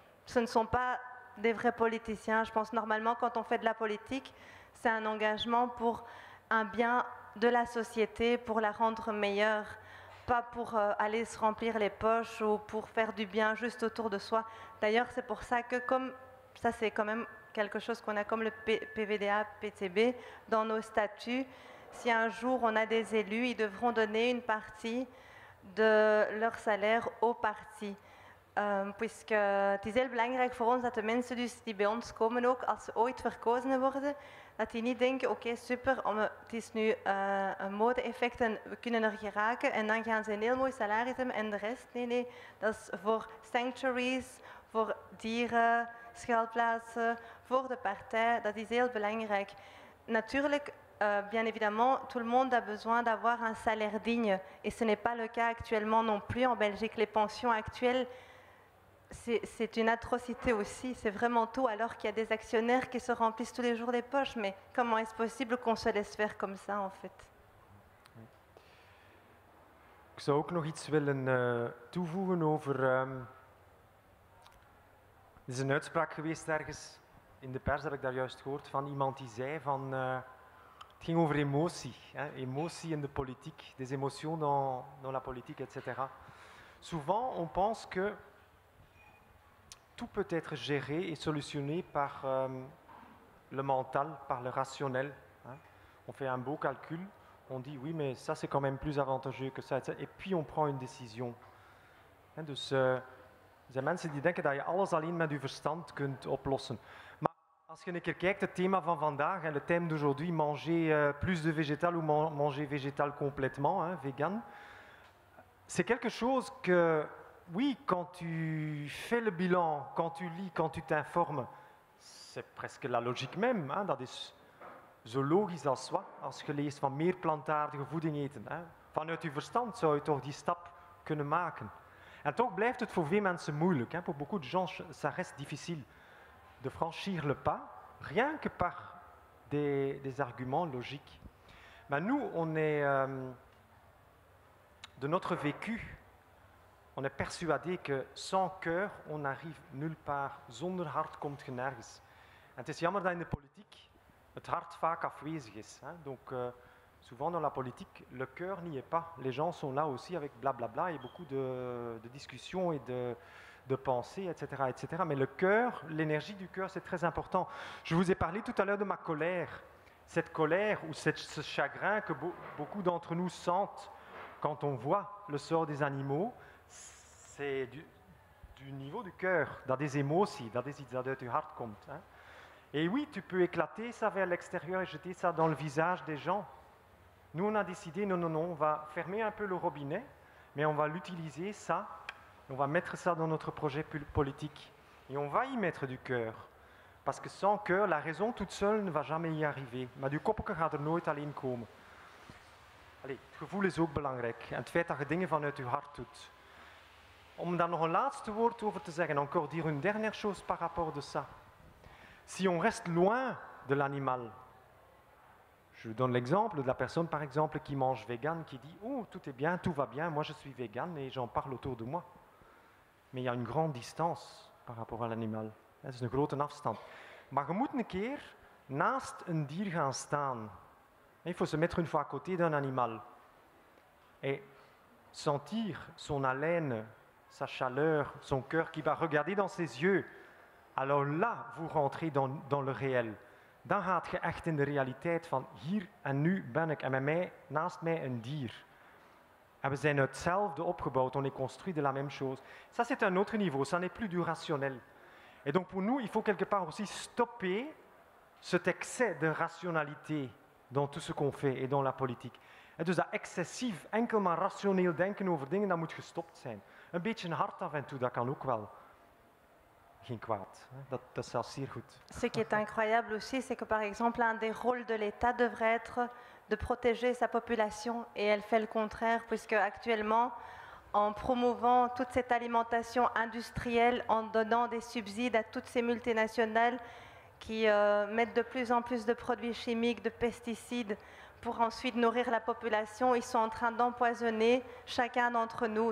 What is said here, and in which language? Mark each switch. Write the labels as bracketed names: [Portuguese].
[French] Ce ne sont pas des vrais politiciens. Je pense normalement quand on fait de la politique, c'est un engagement pour un bien de la société, pour la rendre meilleure, pas pour aller se remplir les poches ou pour faire du bien juste autour de soi. D'ailleurs, c'est pour ça que comme ça, c'est quand même quelque chose qu'on a comme le PVDA, PTB, dans nos statuts. Si un jour on a des élus, ils devront donner une partie de leur salaire au parti. [Dutch] Puisque het is heel belangrijk voor ons dat de mensen dus die bij ons komen ook, als ze ooit verkozen worden, dat die niet denken, oké, super, het is nu een mode-effect en we kunnen er geraken en dan gaan ze een heel mooi salaris hebben en de rest, nee, dat is voor sanctuaries, voor dieren, schuilplaatsen, voor de partij, dat is heel belangrijk. [French] Natuurlijk, bien évidemment, tout le monde a besoin d'avoir un salaire digne. Et ce n'est pas le cas actuellement non plus en Belgique. Les pensions actuelles, c'est une atrocité aussi. C'est vraiment tout, alors qu'il y a des actionnaires qui se remplissent tous les jours les poches. Mais comment est-ce possible qu'on se laisse faire comme ça, en fait? [Dutch] Ik zou ook nog iets willen toevoegen over. Er is een uitspraak geweest ergens in de pers, heb ik daar juist gehoord, van iemand die zei van, het ging over emotie, hè, emotie in de politiek, [French] des émotions dans la politique, etc. Souvent, on pense que tout peut être géré et solutionné par le mental, par le rationnel. Hein. On fait un beau calcul, on dit oui, mais ça c'est quand même plus avantageux que ça, etc. Et puis on prend une décision. Hein, de ce. [Dutch] Er zijn mensen die denken dat je alles alleen met je verstand kunt oplossen. Maar als je een keer kijkt, het thema van vandaag, [French] le thème d'aujourd'hui, manger plus de végétal ou manger végétal complètement, hein, vegan, c'est quelque chose que, oui, quand tu fais le bilan, quand tu lis, quand tu t'informes, c'est presque la logique même, hein, [Dutch] dat is zo logisch als soi, als je leest van meer plantaardige voeding eten. Hein. Vanuit je verstand zou je toch die stap kunnen maken. En toch blijft het voor veel mensen moeilijk. Hein? [French] Pour beaucoup de gens, ça reste difficile de franchir le pas, rien que par des arguments logiques. Mais nous, on est, de notre vécu, on est persuadé que sans cœur, on n'arrive nulle part. [Dutch] Zonder hart komt je nergens. En het is jammer dat in de politiek het hart vaak afwezig is. Hein? [French] Donc, souvent dans la politique, le cœur n'y est pas. Les gens sont là aussi avec blablabla et beaucoup de discussions et de pensées, etc., etc. Mais le cœur, l'énergie du cœur, c'est très important. Je vous ai parlé tout à l'heure de ma colère. cette colère ou ce chagrin que beaucoup d'entre nous sentent quand on voit le sort des animaux, c'est du niveau du cœur, dans des émotions, dans des idées du heart kommt. Hein. Et oui, tu peux éclater ça vers l'extérieur et jeter ça dans le visage des gens. Nous, on a décidé, non, on va fermer un peu le robinet, mais on va l'utiliser, ça, on va mettre ça dans notre projet politique. Et on va y mettre du cœur. Parce que sans cœur, la raison toute seule ne va jamais y arriver. [Dutch] Mais du kop gaat er nooit alleen komen. Allez, het gevoel is ook belangrijk. En het feit dat je dingen vanuit je hart doet. Om daar nog een laatste woord over te zeggen, [French] encore dire une dernière chose par rapport de ça. Si on reste loin de l'animal, je vous donne l'exemple de la personne, par exemple, qui mange vegan, qui dit « Oh, tout est bien, tout va bien, moi je suis vegan et j'en parle autour de moi. » Mais il y a une grande distance par rapport à l'animal. C'est une grande afstand. [Dutch] Mais je moet een keer naast un dier gaan staan. [French] Il faut se mettre une fois à côté d'un animal et sentir son haleine, sa chaleur, son cœur qui va regarder dans ses yeux. Alors là, vous rentrez dans le réel. [Dutch] Dan gaat je echt in de realiteit van hier en nu ben ik en met mij, naast mij een dier. En we zijn hetzelfde opgebouwd, [French] on est construit de la même chose. Ça c'est un autre niveau, ça n'est plus du rationnel. Et donc pour nous, il faut quelque part aussi stopper cet excès de rationalité dans tout ce qu'on fait et dans la politique. [Dutch] Et dus dat excessief, enkel maar rationeel denken over dingen, dat moet gestopt zijn. Een beetje hard af en toe, dat kan ook wel. [French] Ce qui est incroyable aussi, c'est que par exemple, un des rôles de l'État devrait être de protéger sa population et elle fait le contraire, puisque actuellement, en promouvant toute cette alimentation industrielle, en donnant des subsides à toutes ces multinationales qui mettent de plus en plus de produits chimiques, de pesticides, pour ensuite nourrir la population, ils sont en train d'empoisonner chacun d'entre nous.